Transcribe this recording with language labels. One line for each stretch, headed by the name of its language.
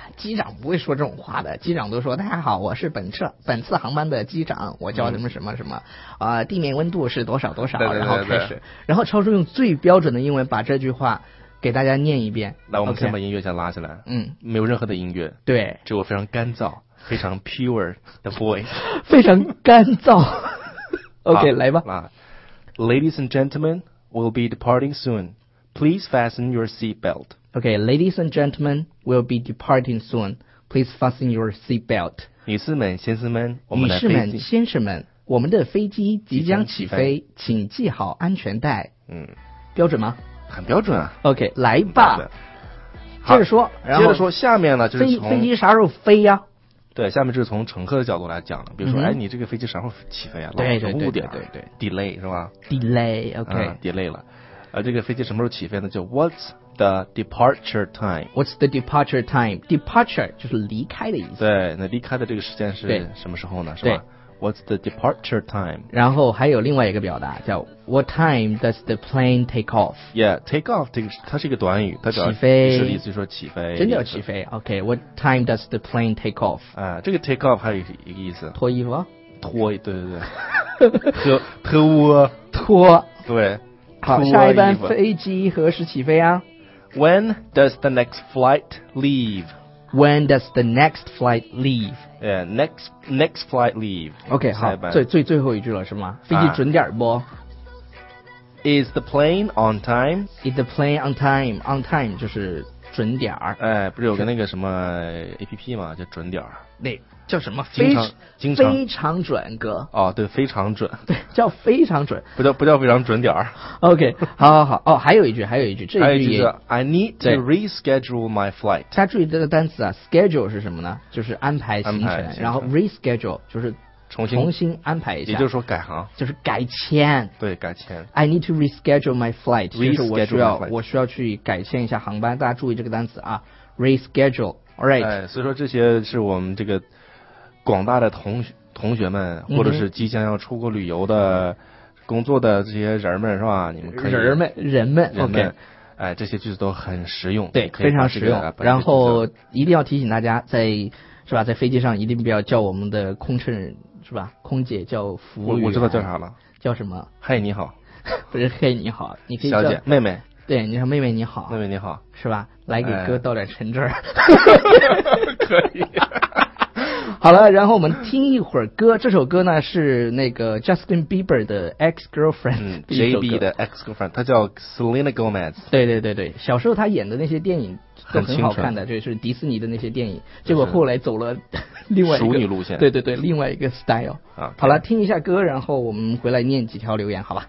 Chinese: 机长不会说这种话的，机长都说大家好，我是本次航班的机长，我叫什么什么什么啊、地面温度是多少多少，对对对对对，然后开始，然后超叔用最标准的英文把这句话。给大家念一遍，来，我们先把音乐先拉起来。
English: Okay， 嗯，
Chinese: 没有任何的音乐，对，只有非常干燥、非常 pure 的 voice，非常干燥。OK， 来吧。
English: Ladies and gentlemen, we'll be departing soon. Please fasten your seat belt. OK, ladies and gentlemen, we'll be departing soon. Please fasten your seat belt.
Chinese: 女士们、先生们，我们的飞机即将起飞，请系好安全带。嗯，标准吗？很标准啊。 OK， 来吧，接着说，然后接着说下面呢，就是飞机啥时候飞呀、啊、对，下面就是从乘客的角度来讲了，比如说、嗯、哎，你这个飞机啥时候起飞啊？对对对对 delay 是吧？
English: delay
Chinese: 了，这个飞机什么时候起飞呢？
English: 就 what's the departure time，
Chinese: departure 就是离开的意思，对，那离开的这个时间是什么时候呢？是吧？
English: What's the departure time?
Chinese: 然后还有另外一个表达叫
English: What time does the plane take off?
Chinese: Yeah, take off 它是一个短语，它表起飞是意思说起飞，真的要起飞。
English: OK, what time does the plane take off?
Chinese: 这个 take off 还有一个意思，脱衣服、啊、对脱脱对。好，下一班飞机何时起飞啊？
English: When does the next flight leave? When does the next flight leave? Yeah, next flight leave.
Chinese: Okay, 好，最后一句了是吗？飞机准点不？
English: Is the plane on time? Is the plane on time?
Chinese: On time 就是准点儿。哎，不是有个那个什么 APP 吗？叫准点儿。那叫什么？经常非常准，哥。哦，对，非常准。对，叫非常准。不叫非常准点儿。 OK， 好。哦，还有一句，这一句还有一句是
English: I need to reschedule my flight。
Chinese: 大家注意这个单词啊 ，schedule 是什么呢？就是安排行程，然后 reschedule 就是重新安排一下，也就是说改行，就是改签。对，改签。
English: I need to reschedule my flight，
Chinese: 就是我需要去改签一下航班。大家注意这个单词啊 ，reschedule。
English: All right，
Chinese: 哎，所以说这些是我们这个广大的同学们，或者是即将要出国旅游的、工作的这些人们，是吧？你们可以人们 ，OK，哎，这些句子都很实用，对，可以非常实用。然后一定要提醒大家，在飞机上一定不要叫我们的空乘，是吧？空姐叫服务员，我知道叫啥了，叫什么？嘿，你好，不是嘿，你好，你可以叫小姐、妹妹。对，你说妹妹你好，妹妹你好，是吧？来给哥倒点橙汁儿，可以。好了，然后我们听一会儿歌。这首歌呢是那个 Justin Bieber 的 Ex Girlfriend、 JB 的 Ex Girlfriend， 他叫 Selena Gomez。对，小时候他演的那些电影都很好看的，就是迪士尼的那些电影。结果后来走了另外一个熟女路线，对，另外一个 style。
English: Okay。
Chinese: 好了，听一下歌，然后我们回来念几条留言，好吧